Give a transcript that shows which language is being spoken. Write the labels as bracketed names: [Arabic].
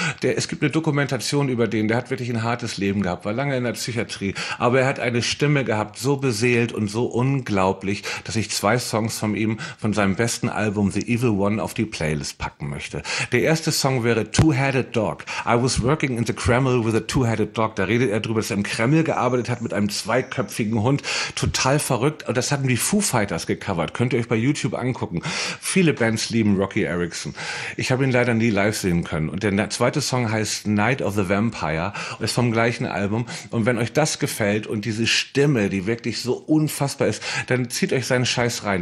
[German] Es gibt eine Dokumentation über den. Der hat wirklich ein hartes Leben gehabt, war lange in der Psychiatrie. Aber er hat eine Stimme gehabt, so beseelt und so unglaublich, dass ich zwei Songs von ihm, von seinem besten Album The Evil One, auf die Playlist packen möchte. Der erste Song wäre Two-Headed Dog. [English] I was working in the Kreml with a Two-Headed Dog. [German] Da redet er drüber, dass er im Kreml gearbeitet hat mit einem zweiköpfigen Hund. Total verrückt. Und das hatten die Foo Fighters gecovert. Könnt ihr euch bei YouTube angucken. Viele Bands lieben Rocky Erickson. Ich habe ihn leider nie live sehen können. Und der zweite Song heißt Night of the Vampire. Ist vom gleichen Album. Und wenn euch das gefällt und diese Stimme, die wirklich so unfassbar ist, dann zieht euch seinen Scheiß rein.